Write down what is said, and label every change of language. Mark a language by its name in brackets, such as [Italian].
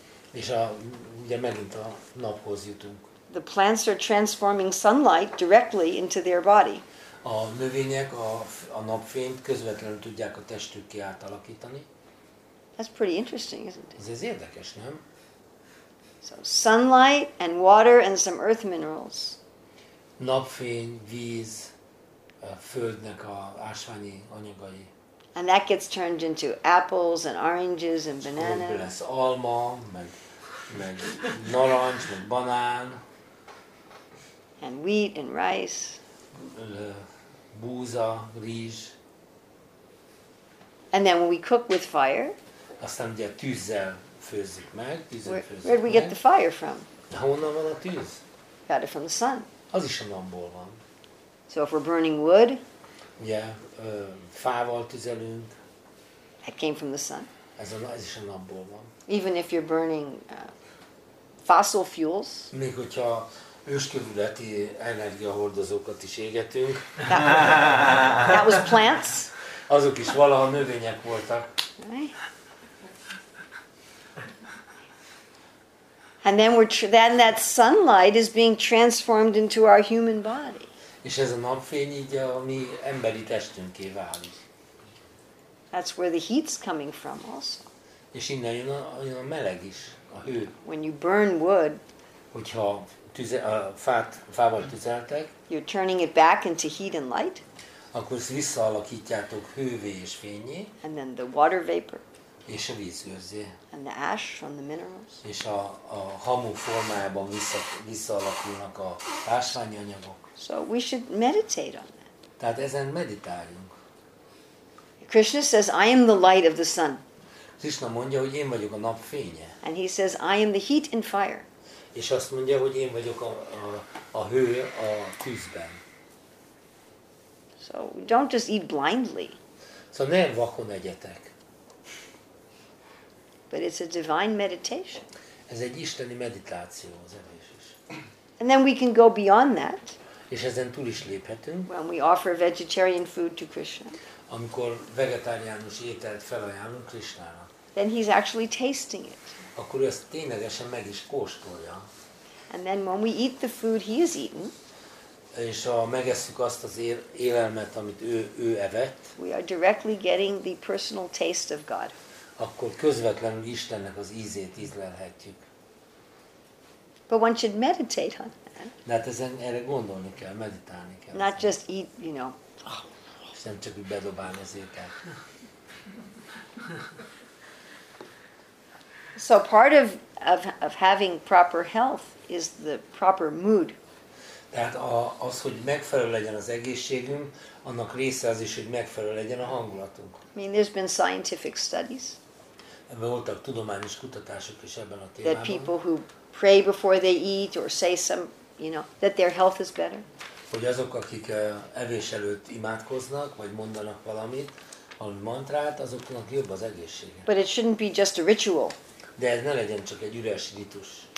[Hungarian] És ugye megint a naphoz jutunk. [English] The plants are transforming sunlight directly into their body. [Hungarian] A növények a napfényt közvetlenül tudják a testükké átalakítani. [English] That's pretty interesting, isn't it? [Hungarian] Ez érdekes, nem? [English] So sunlight and water and some earth minerals. [Hungarian] Napfény, víz, a földnek a ásványi anyagai. [English] And that gets turned into apples and oranges and bananas. [Hungarian] Ebből lesz alma, meg narancs, meg banán. [English] And wheat and rice. [Hungarian] Búza, rizs. [English] And then when we cook with fire. [Hungarian] Aztán ugye tűzzel főzzük meg. [English] Where do we get the fire from? [Hungarian] Honnan van a tűz? [English] Got it from the sun. [Hungarian] Az is a napból van. [English] So if we're burning wood. [Hungarian] Ugye, fával tüzelünk. [English] That came from the sun. [Hungarian] Ez is a napból van. [English] Even if you're burning fossil fuels. [Hungarian] Még hogyha őskövületi energiahordozókat is égetünk. [English] That was plants. [Hungarian] Azok is valaha növények voltak. [English] Right? And then then that sunlight is being transformed into our human body. [Hungarian] És ez a napfény így a mi emberi testünké válik. [English] That's where the heat's coming from also. [Hungarian] És innen jön a meleg is, a hő. [English] When you burn wood, [Hungarian] hogyha fával tüzeltek, [English] you're turning it back into heat and light. [Hungarian] Akkor ezt visszaalakítjátok hővé és fényé. [English] And then the water vapor. [Hungarian] És a vízőrzé. [English] And the ash from the minerals. [Hungarian] És a hamu formájában visszaalakulnak a ásványi anyagok. [English] So we should meditate on that. [Hungarian] Tehát ezen meditáljunk. [English] Krishna says, I am the light of the sun. [Hungarian] Krishna mondja, hogy én vagyok a nap fénye. [English] And he says, I am the heat and fire. [Hungarian] És azt mondja, hogy én vagyok a hő a tűzben. [English] So don't just eat blindly. [Hungarian] Szóval ne vakon egyetek. [English] But it's a divine meditation. [Hungarian] Ez egy isteni meditáció az evés is. [English] And then we can go beyond that. [Hungarian] És ezen túl is léphetünk. [English] When we offer vegetarian food to Krishna. [Hungarian] Amikor vegetáriánus ételt felajánlunk Krishnának. [English] Then he's actually tasting it. [Hungarian] Akkor ő ezt ténylegesen meg is kóstolja. [English] And then when we eat the food he has eaten. [Hungarian] És ha megesszük azt az élelmet, amit ő evett. [English] We are directly getting the personal taste of God. [Hungarian] Akkor közvetlenül Istennek az ízét ízlelhetjük. [English] But one should meditate on that. [Hungarian] De ezen erre gondolni kell, meditálni kell. [English] Not just eat, you know. [Hungarian] És nem csak úgy bedobálni az ételt. [English] So part of having proper health is the proper mood. [Hungarian] Tehát az, hogy megfelelő legyen az egészségünk, annak része az is, hogy megfelelő legyen a hangulatunk. [English] I mean, there's been scientific studies. [Hungarian] Ebben voltak tudományos kutatások is ebben a témában. [English] That people who pray before they eat or say some, you know, that their health is better. [Hungarian] Hogy azok, akik evés előtt imádkoznak, vagy mondanak valamit, valami mantrát, azoknak jobb az egészsége. [English] But it shouldn't be just a ritual. [Hungarian] De ez ne legyen csak egy üres ritus.